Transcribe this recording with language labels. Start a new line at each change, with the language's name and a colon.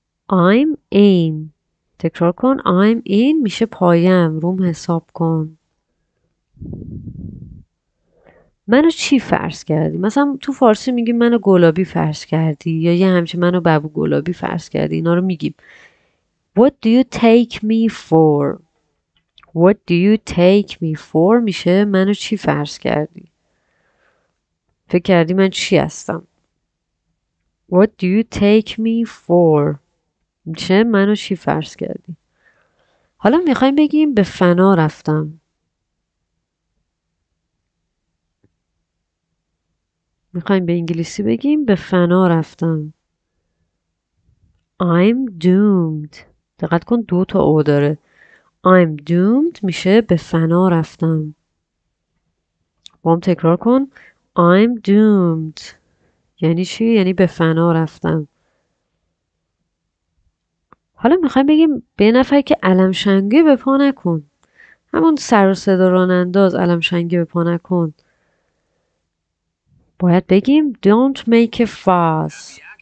English: I'm in.
Persian: تکرار کن.
English: I'm in
Persian: میشه پایم، روم حساب کن. منو چی فرض کردی؟ مثلا تو فارسی میگیم منو گلابی فرض کردی، یا یه همچین منو بابو گلابی فرض کردی. اینا رو میگیم
English: What do you take me for? What do you take me for
Persian: میشه منو چی فرض کردی؟ فکر کردی من چی هستم؟ What do you take me for میشه منو چی فرض کردی؟ حالا میخوایم بگیم به فنا رفتم. میخوایم به انگلیسی بگیم به فنا رفتم.
English: I'm doomed.
Persian: دقت کن دو تا او داره.
English: I'm doomed
Persian: میشه به فنا رفتم. با هم تکرار کن.
English: I'm doomed.
Persian: یعنی چی؟ یعنی به فنا رفتم. حالا میخوایم بگیم به نفر که علم شنگی به پا نکن. همون سر و صدا راننداز علم شنگی به پا نکن. باید بگیم
English: Don't make a fuss.